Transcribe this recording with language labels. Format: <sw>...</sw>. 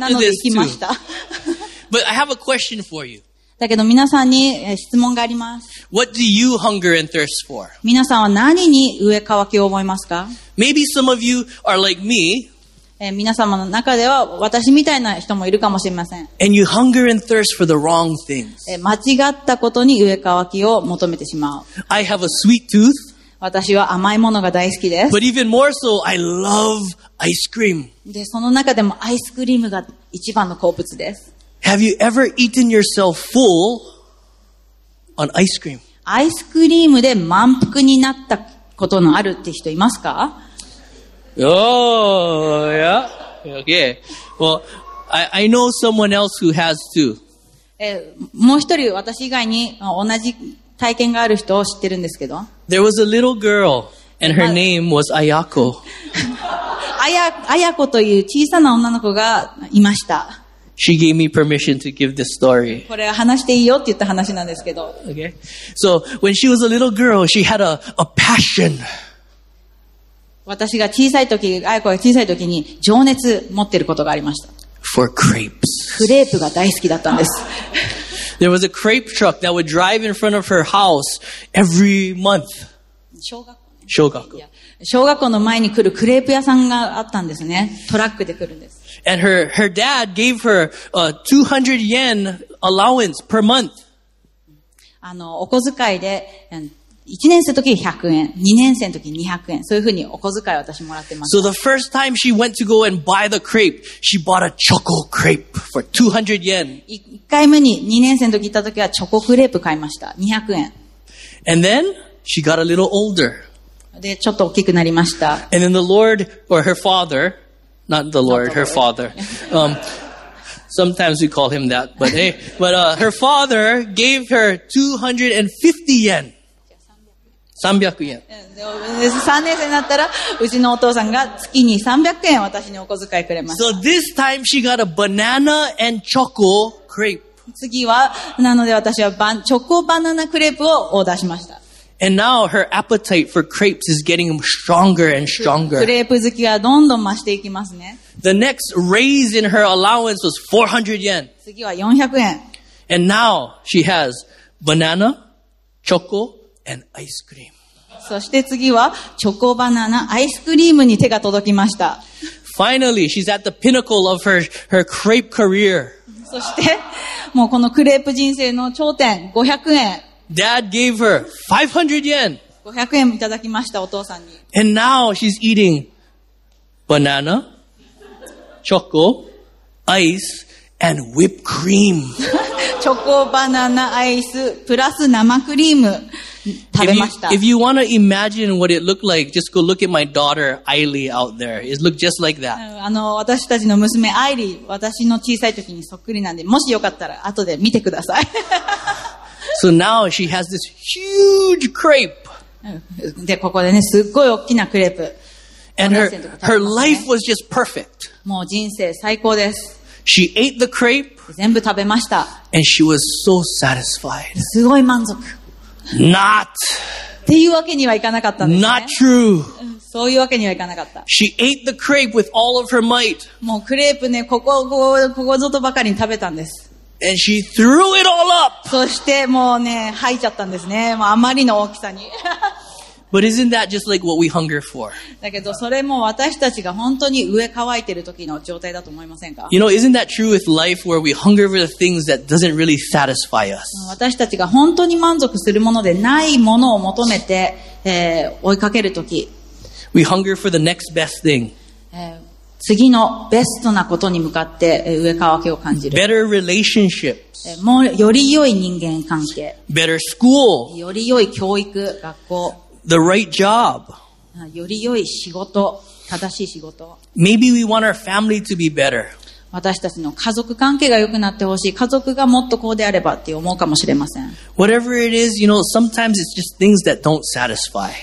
<ja>なので行きました。</ja> <en>But I have a question for you.</en> <ja>だけど皆さんに質問があります。</ja> <en>What do you hunger and thirst for?</en> <ja>皆さんは何に飢え渇きを覚えますか?</ja> <en>Maybe some of you are like me.</en> <ja>皆様の中では私みたいな人もいるかもしれません。</ja> <en>And you hunger and thirst for the wrong things.</en> <ja>間違ったことに飢え渇きを求めてしまう。</ja> <en>I have a sweet tooth.</en> <ja>私は甘いものが大好きです。</ja> <en>But even more so, I love ice cream.</en> <ja>で、その中でもアイスクリームが一番の好物です。</ja> <en>Have you ever eaten yourself full on ice cream?</en> <ja>アイスクリームで満腹になったことのあるって人いますか?</ja> <en>Oh, yeah. Okay. Well, I know someone else who has too.</en> <ja>もう一人私以外に同じ体験をした人がいます。体験がある人を知ってるんですけど。</ja> <en>There was a little girl, and her name was Ayako.</en> <ja>Ayako という小さな女の子がいました。</ja> <en>She gave me permission to give this story.</en> <ja>これは話していいよって言った話なんですけど。</ja> <en>Okay. So, when she was a little girl, she had a passion.</en> <ja>私が小さい時、あやこが小さい時に情熱持ってることがありました。</ja> <en>For crepes.</en> <ja>クレープが大好きだったんです。</ja> <en>There was a crepe truck that would drive in front of her house every month.</en> <ja>小学校の前に来るクレープ屋さんがあったんですね。トラックで来るんです。</ja> <en>And her dad gave her a 200 yen allowance per month.</en> <ja>お小遣いで、1年生の時に100円、2年生の時に200円、そういうふうにお小遣いを私もらってます。</ja> <en>So the first time she went to go and buy the crepe, she bought a choco crepe for 200 yen.</en> <ja>1回目に2年生の時に行った時はチョコクレープ買いました。 200円。</ja> <en>And then, she got a little older.</en> <ja>で、ちょっと大きくなりました。</ja> <en>And then the Lord, or her father,Not the Lord, her father. Sometimes we call him that, but hey, but her father gave her 250 yen. 300 yen.</en> <ja>3年生になったら、うちのお父さんが月に300円私にお小遣いくれました。</ja> <en>So this time she got a banana and choco crepe.</en> <ja>次は、なので私はチョコバナナクレープをオーダーしました。</ja> <en>And now her appetite for crepes is getting stronger and stronger.</en> <ja>クレープ好きがどんどん増していきますね。</ja> <en>The next raise in her allowance was 400 yen.</en> <ja>次は400円。</ja> <en>And now she has banana, choco, and ice cream.</en> <ja>そして次はチョコバナナ、アイスクリームに手が届きました。</ja> <en>Finally, she's at the pinnacle of her crepe career.</en> <ja>そしてもうこのクレープ人生の頂点、500円。</ja> <en>Dad gave her 500 yen.</en> <ja>500円いただきました、お父さんに。</ja> <en>And now she's eating banana, choco, ice, and whipped cream.</en> <ja>チョコ、バナナ、アイス、プラス生クリーム食べました。</ja> <en>If you want to imagine what it looked like, just go look at my daughter, Ailey, out there. It looked just like that.</en> <ja>私たちの娘、アイリー、私の小さい時にそっくりなんで、もしよかったら後で見てください。</ja> <en>So now she has this huge crepe.</en> <ja>で、ここでね、すっごい大きなクレープ。</ja> <en>And her life was just perfect.</en> <ja>もう人生最高です。</ja> <en>She ate the crepe.</en> <ja>全部食べました。</ja> <en>And she was so satisfied.</en> <ja>すごい満足。</ja> <en>Not.</en> <ja>っていうわけにはいかなかったんですね。</ja> <en>Not true.</en> <ja>そういうわけにはいかなかった。</ja> <en>She ate the crepe with all of her might.</en> <ja>もうクレープね、ここぞとばかりに食べたんです。</ja> <en>And she threw it all up.</en> <ja>そしてもうね、吐いちゃったんですね。もうあまりの大きさに。</ja> <en>But isn't that just like what we hunger for?</en> <ja>だけどそれも私たちが本当に飢え渇いてる時の状態だと思いませんか?</ja> <en>You know, isn't that true with life where we hunger for the things that doesn't really satisfy us?</en> <ja>私たちが本当に満足するものでないものを求めて、追いかける時。</ja> <en>We hunger for the next best thing.</en> <ja>次のベストなことに向かって植え替わけを感じる。</ja> <en>Better relationships.</en> <ja>もうより良い人間関係。</ja> <en>Better school.</en> <ja>より良い教育、学校。</ja> <en>The right job.</en> <ja>より良い仕事、正しい仕事。</ja> <en>Maybe we want our family to be better.</en> <ja>私たちの家族関係が良くなってほしい。家族がもっとこうであればって思うかもしれません。</ja> <en>Whatever it is, you know, sometimes it's just things that don't satisfy.</en>